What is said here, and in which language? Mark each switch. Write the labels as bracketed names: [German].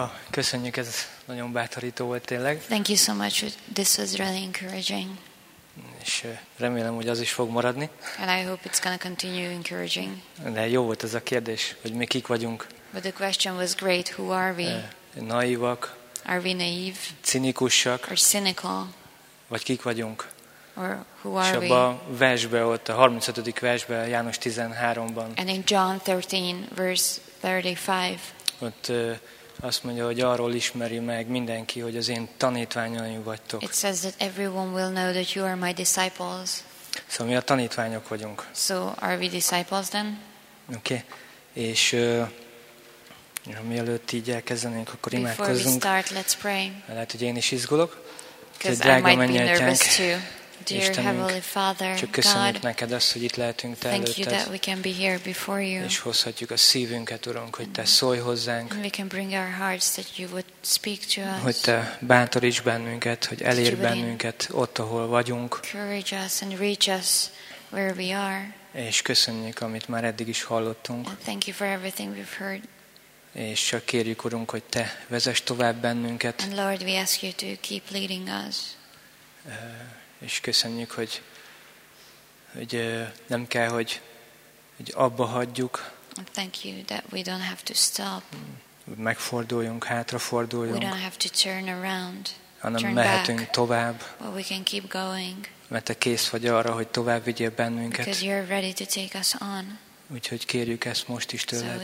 [Hungarian] Köszönjük, ez nagyon bátorító volt tényleg. [English] Thank you so much. This was really encouraging. [Hungarian] És remélem, hogy az is fog maradni. [English] And I hope it's going to continue encouraging. [Hungarian] De jó volt ez a kérdés, hogy mi kik vagyunk. [English] But the question was great. Who are we? [Hungarian] Naivak. [English] Are we naive? [Hungarian] Cinikusak. [English] Or cynical? [Hungarian] Vagy kik vagyunk? [English] Or who are we? [Hungarian] És abban a versben, ott a 35. versben, János 13-ban. [English] And in John 13, verse 35. [Hungarian] Ott azt mondja, hogy arról ismeri meg mindenki, hogy az én tanítványaim vagytok. [English] It says that everyone will know that you are my disciples. [Hungarian] Szóval mi a tanítványok vagyunk. [English] So are we disciples then? Okay. [Hungarian] És mielőtt így elkezdenénk, akkor imádkozzunk. [English] Before we start, let's pray. [Hungarian] Lehet, hogy én is izgulok. [English] Because I might be nervous too. Dear [Hungarian] Istenünk, [English] Heavenly Father, [Hungarian] csak köszönjük [English] God, [Hungarian] neked azt, hogy itt lehetünk te [English] thank [Hungarian] előtted, [English] you that we can be here before you. [Hungarian] És hozhatjuk a szívünket, Urunk, hogy te szólj hozzánk. [English] And we can bring our hearts that you would speak to us. [Hungarian] Hogy te bátoríts bennünket, hogy elérj bennünket ott, ahol vagyunk. [English] Encourage us and reach us where we are. [Hungarian] És köszönjük, amit már eddig is hallottunk. [English] And thank you for everything we've heard. [Hungarian] És csak kérjük, Urunk, hogy te vezess tovább bennünket. [English] And Lord, we ask you to keep leading us. [Hungarian] És köszönjük, hogy nem kell, hogy abba hagyjuk. [English] Thank you that we don't have to stop. [Hungarian] Megforduljunk, hátraforduljunk. [English] We don't have to turn around. [Hungarian] Hanem mehetünk tovább. [English] But we can keep going. [Hungarian] Mert te kész vagy arra, hogy tovább vigyél bennünket. [English] Because you're ready to take us on. [Hungarian] Úgyhogy kérjük ezt most is tőled.